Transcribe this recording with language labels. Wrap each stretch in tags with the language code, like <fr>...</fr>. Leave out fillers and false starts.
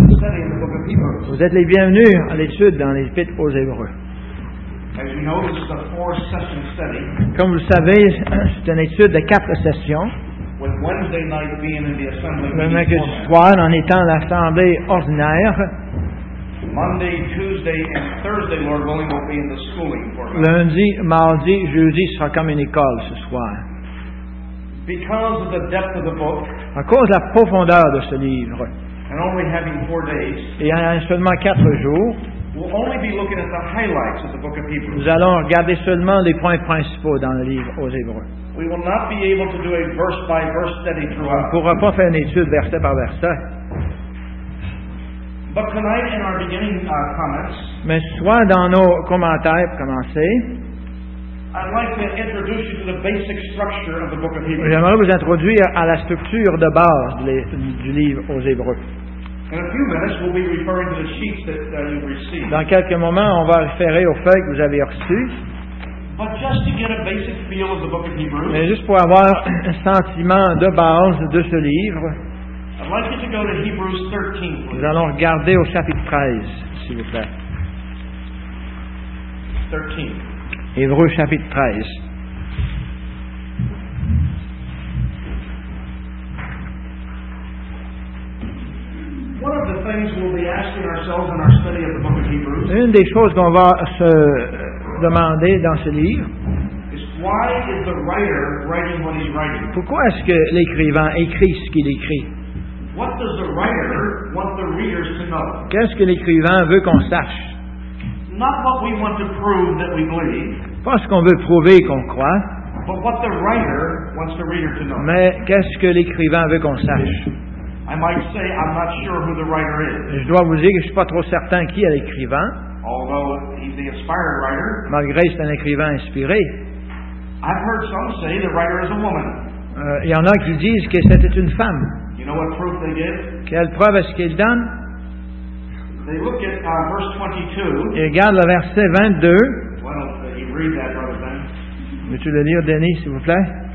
<fr>Vous êtes les bienvenus à l'étude dans l'Épître aux Hébreux.</fr> <en>As you know, this is a four-session study.</en> <fr>Comme vous le savez, c'est une étude de quatre sessions.</fr> <en>With Wednesday night being in the assembly</en> <fr>le mercredi soir en étant l'assemblée ordinaire.</fr> <en>Monday, Tuesday, and Thursday, Lord willing, will be in the schooling format.</en> <fr>Lundi, mardi, jeudi sera comme une école ce soir.</fr> <en>Because of the depth of the book,</en> <fr>à cause de la profondeur de ce livre,</fr> <en>and only having 4 days,</en> <fr>et en seulement 4 jours,</fr> <en>we'll only be looking at the highlights of the book of Hebrews.</en> <fr>Nous allons regarder seulement les points principaux dans le livre aux Hébreux.</fr> <en>We will not be able to do a verse by verse study throughout.</en> <fr>On ne pourra pas faire une étude verset par verset.</fr> <en>But tonight in our beginning comments,</en> <fr>mais ce soir dans nos commentaires pour commencer,</fr> <en>I'd like to introduce you to the basic structure of the book of Hebrews.</en> <fr>J'aimerais vous introduire à la structure de base du livre aux Hébreux.</fr> <en>In a few minutes, we'll be referring to the sheets that you received.</en> <fr>Dans quelques moments, on va référer aux feuilles que vous avez reçues.</fr> <en>But just to get a basic feel of the book of Hebrews,</en> <fr>mais juste pour avoir un sentiment de base de ce livre,</fr> <en>I'd like you to go to Hebrews 13, please.</en> <fr>Nous allons regarder au chapitre 13, s'il vous plaît.</fr> <en>13.</en> <fr>Hébreux chapitre 13.</fr> <en>One of the things we'll be asking ourselves in our study of the book of Hebrews.</en> <fr>Une des choses qu'on va se demander dans ce livre.</fr> <en>Is why is the writer writing what he's writing?</en> <fr>Pourquoi est-ce que l'écrivain écrit ce qu'il écrit?</fr> <en>What does the writer want the readers to know?</en> <fr>Qu'est-ce que l'écrivain veut qu'on sache?</fr> <en>Not what we want to prove that we believe.</en> <fr>Pas ce qu'on veut prouver qu'on croit.</fr> <en>But what the writer wants the reader to know.</en> <fr>Mais qu'est-ce que l'écrivain veut qu'on sache?</fr> <en>I might say I'm not sure who the writer is.</en> <fr>Je dois vous dire que je ne suis pas trop certain qui est l'écrivain.</fr> <en>Although he's the inspired writer.</en> <fr>Malgré que c'est un écrivain inspiré.</fr> <en>I've heard some say the writer is a woman.</en> <fr>Il y en a qui disent que c'était une femme.</fr> <en>You know what proof they give?</en> <fr>Quelle preuve est-ce qu'ils donnent?</fr> <en>They look at verse 22.</en> <fr>Ils regardent le verset 22.</fr> <en>Well, you read that, brother Ben.</en> <fr>Veux-tu le lire, Denis, s'il vous plaît?</fr>